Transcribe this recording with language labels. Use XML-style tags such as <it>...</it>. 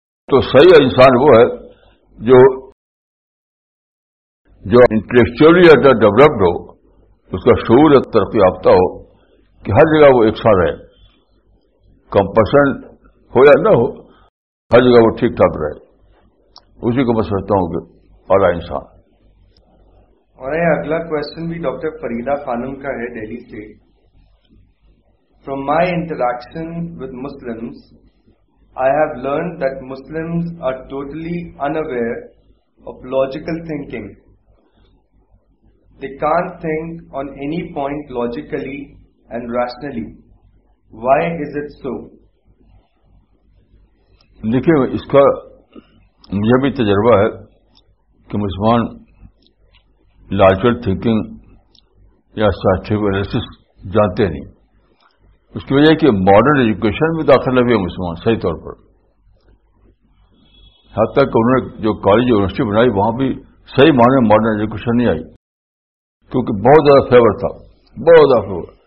<ur>تو صحیح انسان وہ ہے جو انٹلیکچولی اڈر ڈیولپڈ ہو, اس کا شعور ترقی یافتہ ہو کہ ہر جگہ وہ ایک سان رہے, کمپرشن ہو یا نہ ہو ہر جگہ وہ ٹھیک ٹھاک رہے. اسی کو میں سمجھتا ہوں کہ اعلی انسان. اور یہ اور اگلا کوشچن بھی ڈاکٹر فریدہ خانم کا ہے دہلی سے.</ur> <en>From my interaction with Muslims, I have learned that Muslims are totally unaware of logical thinking. They can't think on any point logically and rationally. Why is it so?</en> <ur>دیکھیے اس کا مجھے بھی تجربہ ہے کہ مسلمان لاجیکل تھنکنگ یا scientific analysis جانتے نہیں. اس کی وجہ کہ ماڈرن ایجوکیشن میں داخلہ بھی ہے مسلمان صحیح طور پر, حتیٰ کہ انہوں نے جو کالج یونیورسٹی بنائی وہاں بھی صحیح معنی ماڈرن ایجوکیشن نہیں آئی, کیونکہ بہت زیادہ فیور تھا, بہت زیادہ فیور.</ur>